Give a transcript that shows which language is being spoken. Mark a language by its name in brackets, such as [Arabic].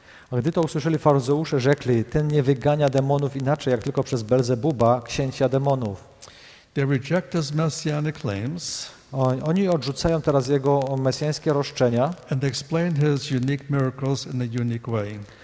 [Polish] A gdy to usłyszeli faryzeusze, rzekli, ten nie wygania demonów inaczej, jak tylko przez Belzebuba, księcia demonów. [English] They reject his messianic claims. [Polish] Oni odrzucają teraz jego mesjańskie roszczenia. [English] And explain his unique miracles in a unique way.